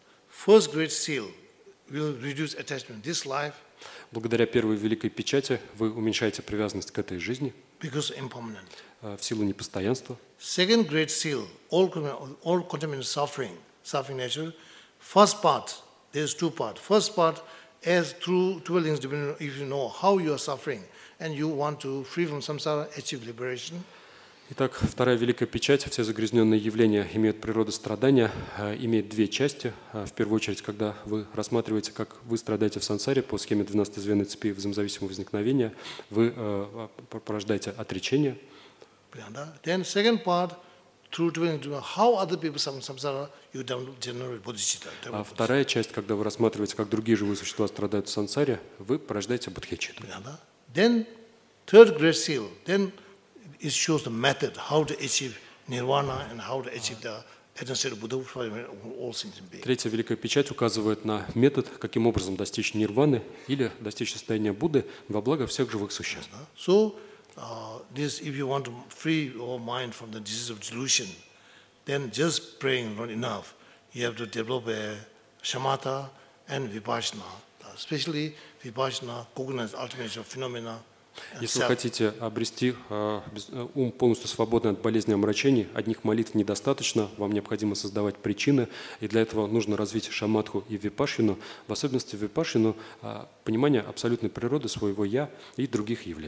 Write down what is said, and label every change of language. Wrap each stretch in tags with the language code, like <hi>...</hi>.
<en>First great seal will reduce attachment this life.</en> <ru>Благодаря первой великой печати вы уменьшаете привязанность к этой жизни.</ru> <en>Because impermanent.</en> <ru>В силу непостоянства.</ru> <en>Second great seal, all contaminated suffering nature. First part, there's two part. First part, as through dwellings, depending if you know how you are suffering. And you want to free from samsara, achieve liberation.</en> <ru>Итак, вторая великая печать, все загрязненные явления имеют природу страдания, имеет две части. В первую очередь, когда вы рассматриваете, как вы страдаете в сансаре по схеме 12 звеньев цепи взаимозависимого возникновения, вы порождаете отречение.</ru> <en>Then second part, through doing how other people suffer samsara, you generate bodhicitta.</en> <ru>А вторая часть, когда вы рассматриваете, как другие живые существа страдают в сансаре, вы порождаете бодхичитту.</ru> <en>Then third great seal, then it shows the method how to achieve nirvana and how to achieve the potential Buddha for all things in being.</en> <ru>Третья великая печать указывает на метод, каким образом достичь нирваны или достичь состояния Будды во благо всех живых существ.</ru> <en>So, this if you want to free your mind from the disease of delusion, then just praying not enough. You have to develop a shamatha and vipassana, especially vipassana, cognize ultimate phenomena.</en> <ru>Если вы хотите обрести ум полностью свободный от болезни и омрачений, одних молитв недостаточно, вам необходимо создавать причины, и для этого нужно развить шамадху и випашьяну, в особенности випашьяну, понимание абсолютной природы своего «я» и других</ru>